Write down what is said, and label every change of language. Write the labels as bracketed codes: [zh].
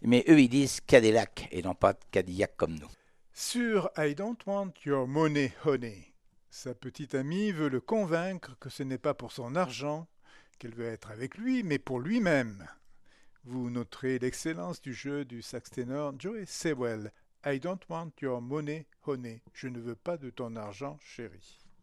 [fr] Mais eux, ils disent Cadillac et non pas Cadillac comme nous. Sur I Don't Want Your Money, Honey, sa petite amie veut le convaincre que ce n'est pas pour son argent qu'elle veut être avec lui, mais pour lui-même. Vous noterez l'excellence du jeu du sax ténor Joey Sewell. [en] I don't want your money, honey. [fr] Je ne veux pas de ton argent, chérie.